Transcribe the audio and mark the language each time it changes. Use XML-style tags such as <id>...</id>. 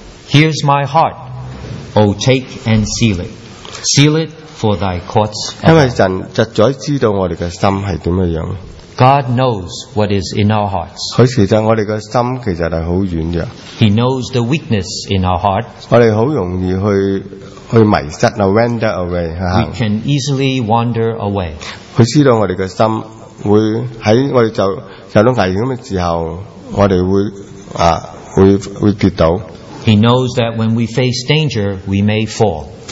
<en>Here's my heart, O take and seal it. Seal it for thy courts.</en> <zh>因为神实在知道我们的心是怎么样。</zh> <en>God knows what is in our hearts.</en> <zh>其实我们的心其实是很软弱。</zh> <en>He knows the weakness in our heart.</en> <zh>我们很容易去迷失，</zh> <en>wander away. We can easily wander away.</en> <zh>他知道我们的心会在我们受到危险的时候，我们会跌倒。</zh> <en>He knows that when we face danger, we may fall.</en>